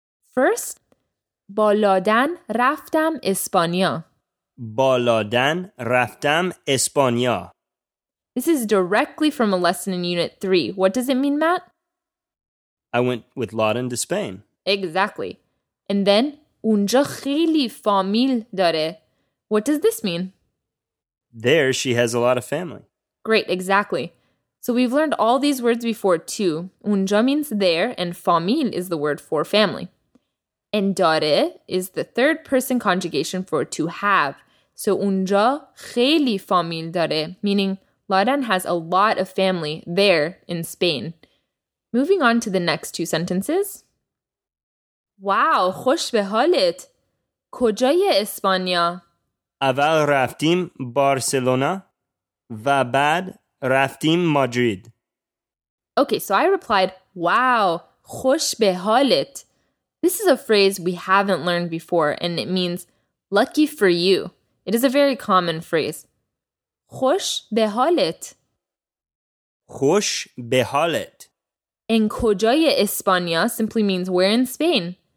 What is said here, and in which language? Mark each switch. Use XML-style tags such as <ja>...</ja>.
<en>First,</en> <fa>بالادن رفتم اسپانیا. بالادن رفتم اسپانیا.</fa> <en>This is directly from a lesson in Unit 3. What does it mean, Matt? I went with Laden to Spain. Exactly. And then,</en> <fa>اونجا خیلی فامیل داره.</fa> <en>What does this mean? There, she has a lot of family. Great, exactly. So we've learned all these words before, too. اونجا means there, and فامیل is the word for family. And داره is the third person conjugation for to have. So</en> <fa>اونجا خیلی فامیل داره,</fa> <en>meaning Laden has a lot of family there in Spain. Moving on to the next two sentences. Wow,</en> <fa>خوش به حالت. کجای اسپانیا؟ اول رفتیم بارسلونا و بعد رفتیم مادرید.</fa> <en>Okay, so I replied, wow,</en> <fa>خوش به حالت.</fa> <en>This is a phrase we haven't learned before, and it means lucky for you. It is a very common phrase.</en> <fa>خوش به حالت. خوش به حالت.</fa> <en>And</en> <fa>کجای اسپانیا</fa> <en>simply means where in Spain.</en>